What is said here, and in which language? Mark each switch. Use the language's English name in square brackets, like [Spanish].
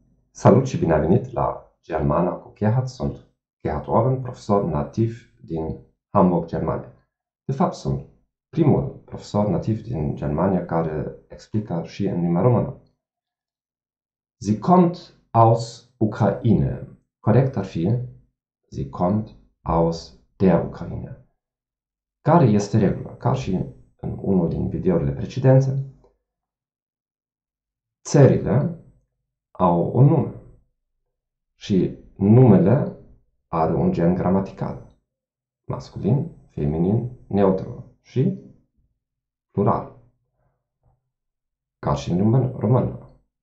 [Romanian] Salut și bine a venit la Germana cu Gerhard. Sunt Gerhard Oren, profesor nativ din Hamburg, Germania. De fapt, sunt primul profesor nativ din Germania care explică și în limba română. [German] Sie kommt aus Ukraine. [Romanian] Corect ar fi, [German] sie kommt aus der Ukraine. [Romanian] Care este regula? Ca și în unul din videourile precedente, țările au un nume și numele are un gen gramatical, masculin, feminin, neutru și plural, ca și în română.